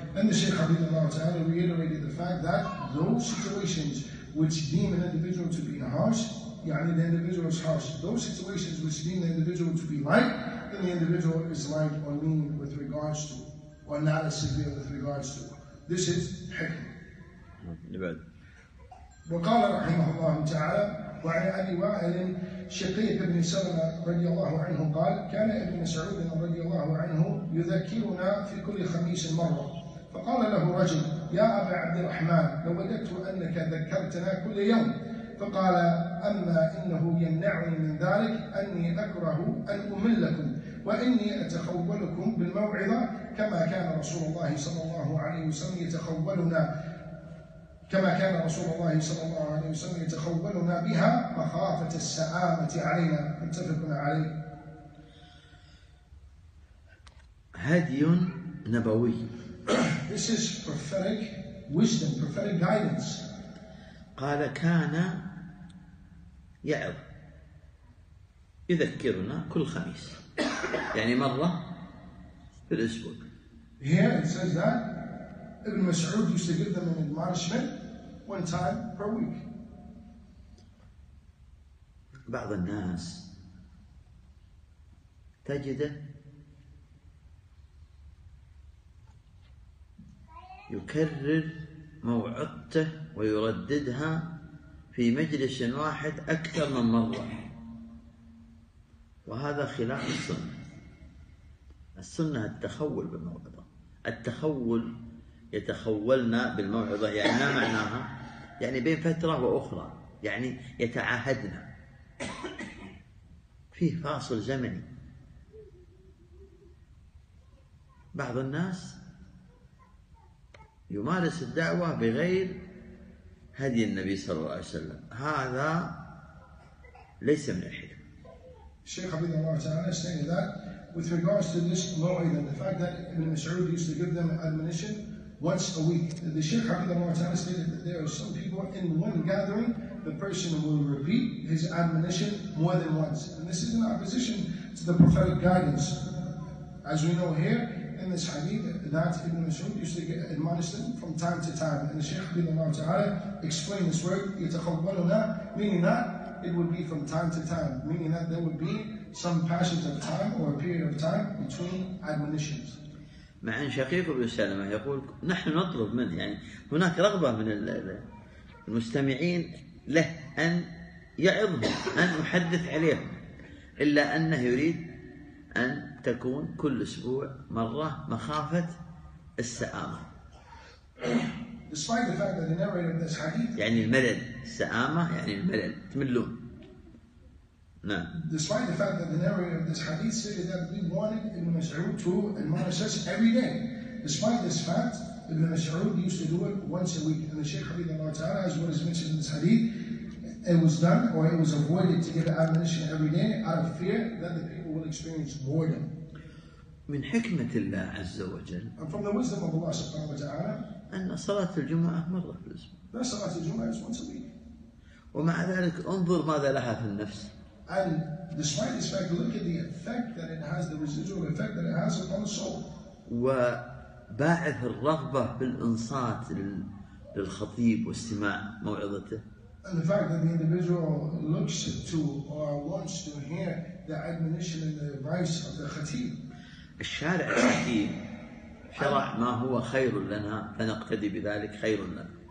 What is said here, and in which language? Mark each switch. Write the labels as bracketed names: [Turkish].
[English] And the Shaykh Habibullah Ta'ala reiterated the fact that those situations which deem an individual to be harsh, yani the individual is harsh. Those situations which deem the individual to be light, then the individual is light or lean with regards to, or not as severe with regards to. This is hikmah. [Arabic] وقال رحمه الله تعالى وعن أبي وائل شقيق بن سلمة رضي الله عنه قال كان ابن مسعود رضي الله عنه يذكرنا في كل خميس مرة فقال له رجل يا أبا عبد الرحمن لو وجدت أنك ذكرتنا كل يوم فقال أما إنه يمنعني من ذلك أني أكره أن أملكم وإني أتخولكم بالموعظة كما كان رسول الله صلى الله عليه وسلم يتخولنا كما كان رسول الله صلى الله عليه وسلم يتخولنا بها مخافة السآمة علينا. متفق عليه. هدي نبوي. [English] This is prophetic wisdom, prophetic guidance. [Arabic] قال كان يعظ يذكرنا كل خميس يعني مرة في الأسبوع. [English] Here it says that Ibn Mas'ud used to give them an admonishment one time per week. [Arabic] بعض الناس تجده يكرر موعظته ويرددها في مجلس واحد أكثر من مرة، وهذا خلاف السنة. السنة التخول بالموعظة، التخول يتخولنا بالموعظة يعني ما معناها؟ يعني بين فترة وأخرى، يعني يتعاهدنا، فيه فاصل زمني. بعض الناس يمارس الدعوة بغير هدي النبي صلى الله عليه وسلم، هذا ليس من الحكمة. الشيخ عبد الله تعالى [English] saying that with regards to this mawida, the fact that Ibn Mas'ud used to give them admonition once a week, the Shaykh Habib Allah Ta'ala stated that there are some people in one gathering, the person will repeat his admonition more than once. And this is in opposition to the prophetic guidance. As we know here in this hadith, that Ibn Mas'ud used to get admonished them from time to time. And the Shaykh Habib Allah Ta'ala explained this word, يَتَخَوَّلُنَا, meaning that it would be from time to time, meaning that there would be some passage of time or a period of time between admonitions. [Arabic] مع أن شقيق ابن سلمة يقول نحن نطلب منه، يعني هناك رغبة من المستمعين له أن يعظهم، أن يحدث عليهم، إلا أنه يريد أن تكون كل أسبوع مرة مخافة السآمة. [English] Despite the fact that the narrator of this hadith, [Arabic] يعني الملل، السآمة يعني الملل، تملون. [English] No. Despite the fact that the narrator of this hadith stated that we wanted Ibn Mas'ud to admonish us every day. Despite this fact, Ibn Mas'ud used to do it once a week. And the Shaykh Habib Allah Ta'ala, as well as mentioned in this hadith, it was done or it was avoided to give admonition every day out of fear that the people will experience boredom. [Arabic] من حكمة الله عز وجل. [English] And from the wisdom of Allah subhanahu wa ta'ala, [Arabic] أن صلاة الجمعة مرة في الأسبوع. [English] That صلاة الجمعة is once a week. [Arabic] ومع ذلك انظر ماذا لها في النفس. [English] And despite this fact, look at the effect that it has, the residual effect that it has upon the soul. [Arabic] وباعث الرغبة بالإنصات للخطيب واستماع موعظته. [English] And the fact that the individual looks to or wants to hear the admonition and the advice of the khatib. [Arabic] الشارع الخطيب شرع ما هو خير لنا فنقتدي بذلك خير لنا.